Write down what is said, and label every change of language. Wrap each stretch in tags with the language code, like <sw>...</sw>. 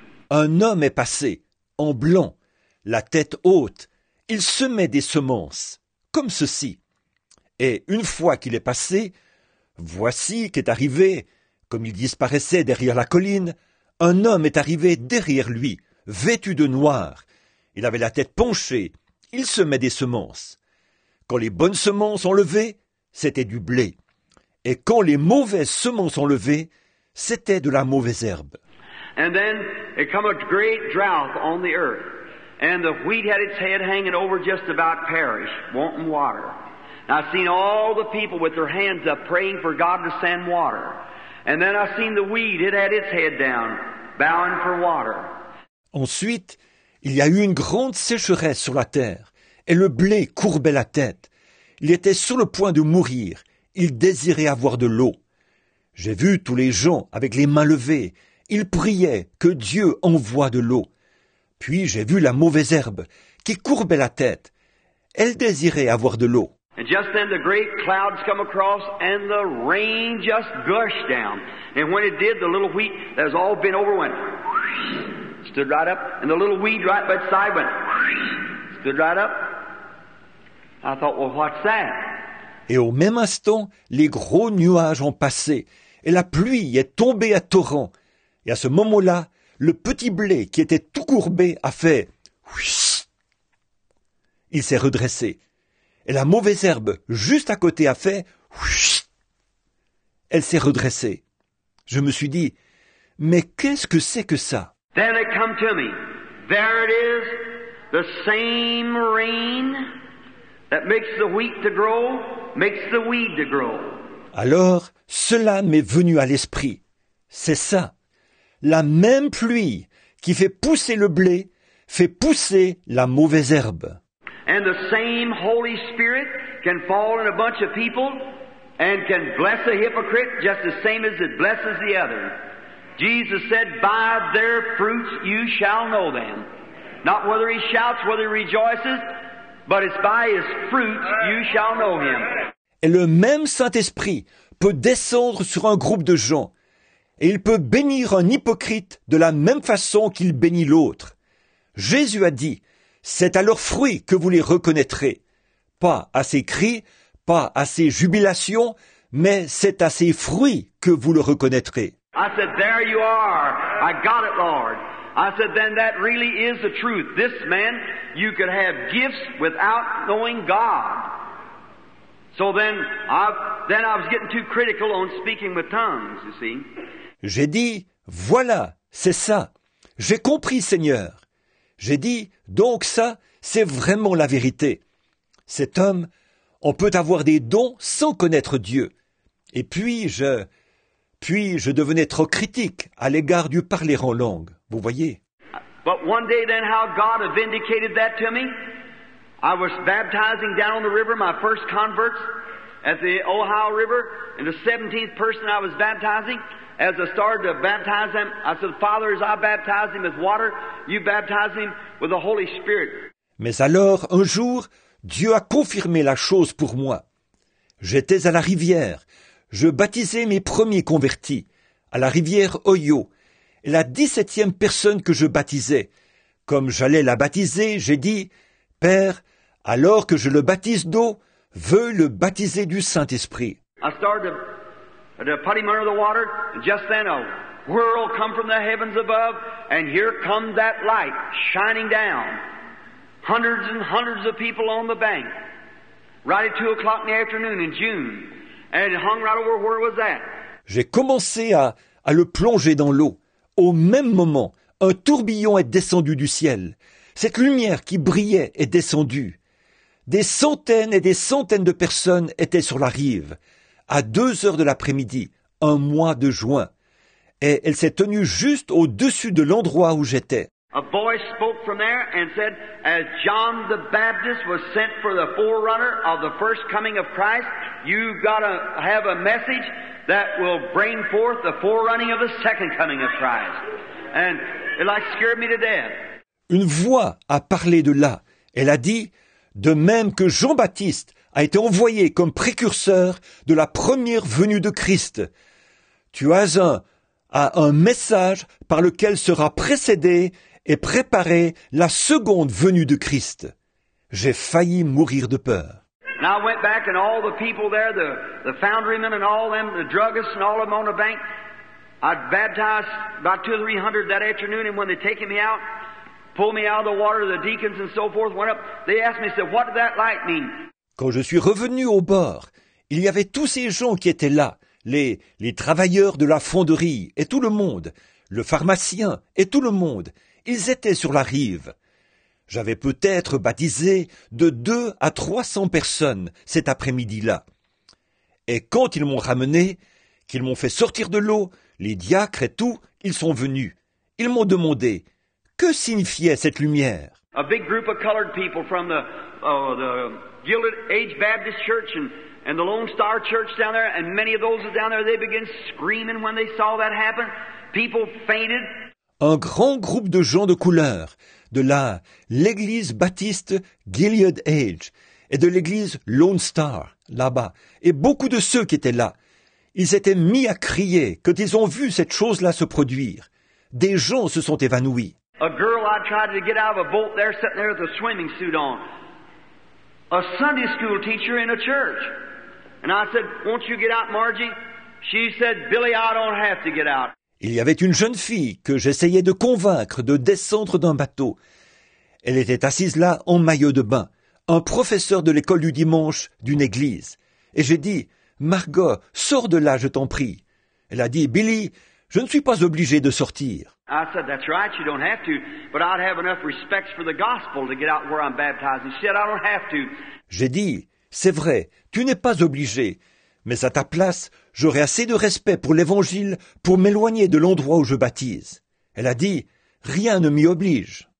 <fr>Un homme est passé, en blanc, la tête haute. Il semait des semences, comme ceci. Et une fois qu'il est passé, voici qu'est arrivé... Comme il disparaissait derrière la colline, un homme est arrivé derrière lui, vêtu de noir. Il avait la tête penchée, il semait des semences. Quand les bonnes semences ont levé, c'était du blé. Et quand les mauvaises semences ont levé, c'était de la mauvaise herbe.</fr> <en>And then it came a great drought on the earth, and the wheat had its head hanging over just about perished, wanting water. And I've seen all the people with their hands up praying for God to send water. And then I seen the weed, it had its head down, bowing for water.</en> <fr>Ensuite, il y a eu une grande sécheresse sur la terre, et le blé courbait la tête. Il était sur le point de mourir, il désirait avoir de l'eau. J'ai vu tous les gens avec les mains levées, ils priaient que Dieu envoie de l'eau. Puis j'ai vu la mauvaise herbe qui courbait la tête, elle désirait avoir de l'eau.</fr> <en>And just then the great clouds come across and the rain just gushed down. And when it did, the little wheat that has all been over went, stood right up. And the little weed right beside went, stood right up. I thought, well, what's that?</en> <fr>Et au même instant, les gros nuages ont passé et la pluie est tombée à torrents. Et à ce moment-là, le petit blé qui était tout courbé a fait, il s'est redressé. Et la mauvaise herbe, juste à côté, a fait « Elle s'est redressée. Je me suis dit, « Mais qu'est-ce que c'est que ça ?»</fr> <en>Then it come to me. There it is, the same rain that makes the wheat to grow, makes the weed to grow.</en> <fr>Alors, cela m'est venu à l'esprit. C'est ça. La même pluie qui fait pousser le blé fait pousser la mauvaise herbe.</fr> <en>And the same Holy Spirit can fall in a bunch of people and can bless a hypocrite just the same as it blesses the other. Jesus said, by their fruits you shall know them. Not whether he shouts, whether he rejoices, but it's by his fruits you shall know him.</en> <fr>Et le même Saint-Esprit peut descendre sur un groupe de gens et il peut bénir un hypocrite de la même façon qu'il bénit l'autre. Jésus a dit, c'est à leurs fruits que vous les reconnaîtrez, pas à ses cris, pas à ses jubilations, mais c'est à ses fruits que vous le reconnaîtrez.</fr> <en>I said, there you are. I got it, Lord. I said, then that really is the truth. This man, you could have gifts without knowing God. So then I was getting too critical on speaking with tongues, you see.</en> <fr>J'ai dit, voilà, c'est ça. J'ai compris, Seigneur. J'ai dit, donc ça, c'est vraiment la vérité. Cet homme, on peut avoir des dons sans connaître Dieu. Et puis je devenais trop critique à l'égard du parler en langue, vous voyez.</fr> <en>But one day then how God vindicated that to me. I was baptizing down on the river, my first converts at the Ohio River, and the 17th person I was baptizing, as I started to baptize them, I said, Father, as I baptize him with water, you baptize him with the Holy Spirit.</en> <fr>Mais alors, un jour, Dieu a confirmé la chose pour moi. J'étais à la rivière. Je baptisais mes premiers convertis, à la rivière Ohio, la 17e personne que je baptisais. Comme j'allais la baptiser, j'ai dit, « Père, alors que je le baptise d'eau, veux le baptiser du Saint-Esprit. »</fr> <en>I started to put him under the water, and just then a whirl come from the heavens above, and here come that light shining down. Hundreds and hundreds of people on the bank, right at 2 o'clock in the afternoon in June. And it hung right over where was that?</en> <fr>J'ai commencé à le plonger dans l'eau. Au même moment, un tourbillon est descendu du ciel. Cette lumière qui brillait est descendue. Des centaines et des centaines de personnes étaient sur la rive, à 2 heures de l'après-midi, un mois de juin. Et elle s'est tenue juste au-dessus de l'endroit où j'étais.</fr> <en>A voice spoke from there and said, as John the Baptist was sent for the forerunner of the first coming of Christ, you've got to have a message that will bring forth the forerunning of the second coming of Christ. And it like scared me to death.</en> <fr>Une voix a parlé de là. Elle a dit, de même que Jean-Baptiste a été envoyé comme précurseur de la première venue de Christ, tu as un message par lequel sera précédé et préparé la seconde venue de Christ. J'ai failli mourir de peur.</fr> <en>And I went back and all the people there, the foundrymen and all them, the druggists and all of them on the bank, I'd baptized about 200 or 300 that afternoon, and when they taken me out, pulled me out of the water, the deacons and so forth went up, they asked me, said, what did that light mean?</en> <fr>Quand je suis revenu au bord, il y avait tous ces gens qui étaient là, les travailleurs de la fonderie et tout le monde, le pharmacien et tout le monde, ils étaient sur la rive. J'avais peut-être baptisé de 200 à 300 personnes cet après-midi-là. Et quand ils m'ont ramené, qu'ils m'ont fait sortir de l'eau, les diacres et tout, ils sont venus. Ils m'ont demandé, que signifiait cette lumière?</fr> <en>A big group of colored people from the Gilded Age Baptist Church and the Lone Star Church down there, and many of those down there, they began screaming when they saw that happen. People fainted.</en> <fr>Un grand groupe de gens de couleur, de l'église baptiste Gilead Age et de l'église Lone Star, là-bas, et beaucoup de ceux qui étaient là, ils étaient mis à crier quand ils ont vu cette chose-là se produire. Des gens se sont évanouis.</fr> <en>A girl I tried to get out of a boat there, sitting there with a swimming suit on. A Sunday school teacher in a church. And I said, won't you get out, Margie? She said, Billy, I don't have to get out.</en> <fr>Il y avait une jeune fille que j'essayais de convaincre de descendre d'un bateau. Elle était assise là en maillot de bain, un professeur de l'école du dimanche d'une église. Et j'ai dit, Margot, sors de là, je t'en prie. Elle a dit, Billy, je ne suis pas obligé de sortir.</fr> <en>I said, that's right, you don't have to, but I'd have enough respect for the gospel to get out where I'm baptized. She said, I don't have to.</en> <fr>J'ai dit, c'est vrai, tu n'es pas obligé. Mais à ta place, j'aurai assez de respect pour l'Évangile pour m'éloigner de l'endroit où je baptise. Elle a dit, rien ne m'y oblige.</fr>